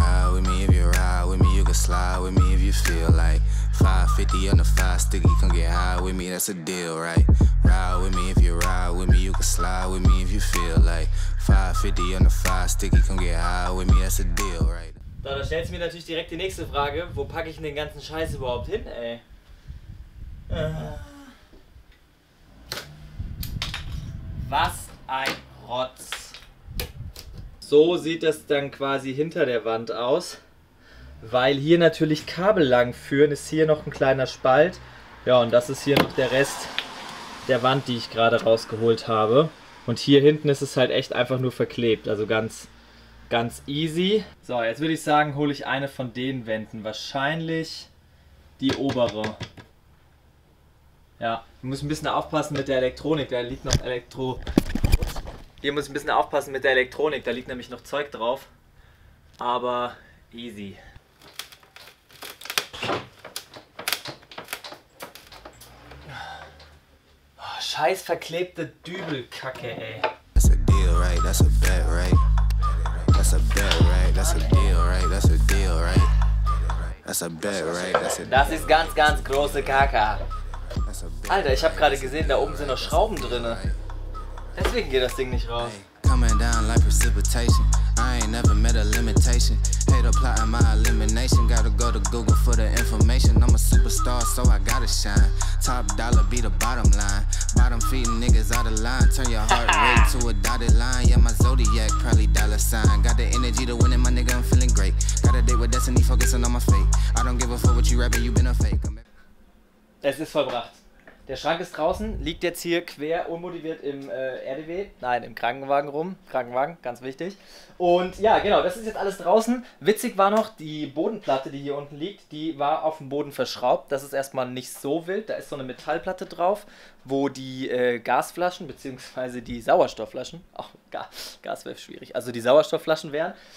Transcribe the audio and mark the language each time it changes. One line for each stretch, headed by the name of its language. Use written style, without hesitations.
English: With me, you can slide with me if you feel like 550 on the fast sticky. Come get high with me, that's a deal, right? Ride with me if you ride with me. You can slide with me if you feel like 550 on the fast sticky. Come get high with me, that's a deal, right?
German: So, da stellt mir natürlich direkt die nächste Frage: Wo packe ich denn den ganzen Scheiß überhaupt hin, ey? Was ein Rotz. So sieht das dann quasi hinter der Wand aus. Weil hier natürlich Kabel lang führen, ist hier noch ein kleiner Spalt. Ja, und das ist hier noch der Rest der Wand, die ich gerade rausgeholt habe. Und hier hinten ist es halt echt einfach nur verklebt, also ganz, ganz easy. So, jetzt würde ich sagen, hole ich eine von den Wänden, wahrscheinlich die obere. Ja, ich muss ein bisschen aufpassen mit der Elektronik, da liegt noch Elektro... Hier muss ich ein bisschen aufpassen mit der Elektronik, da liegt nämlich noch Zeug drauf. Aber easy. Scheiß verklebte Dübelkacke, ey.
English: That's a deal, right? That's a bet, right? That's a bet, right? That's a deal, right? That's a deal, right? That's a bet, right? That's a deal, right?
German: Das ist ganz, ganz große Kacke.
English: That's a
German: Alter, ich habe gerade gesehen, da oben sind noch Schrauben drin. Deswegen geht das Ding nicht raus.
English: Coming down like precipitation. I ain't never met a limitation. Hate applying my elimination. Gotta go to Google for the information. I'm a superstar, so I gotta shine. Top dollar be the bottom line. Bottom feeding niggas out of line. Turn your heart rate to a dotted line. Yeah, my zodiac probably dollar sign. Got the energy to win it, my nigga, I'm feeling great. Got a date with destiny, focusing on my fate. I don't give a fuck what you rapping, you been a fake.
German: Es ist vollbracht. Der Schrank ist draußen, liegt jetzt hier quer, unmotiviert im RDW. Nein, im Krankenwagen rum. Krankenwagen, ganz wichtig. Und ja, genau, das ist jetzt alles draußen. Witzig war noch, die Bodenplatte, die hier unten liegt, die war auf dem Boden verschraubt. Das ist erstmal nicht so wild. Da ist so eine Metallplatte drauf, wo die Gasflaschen, beziehungsweise die Sauerstoffflaschen, auch Gas wäre schwierig, also die Sauerstoffflaschen wären.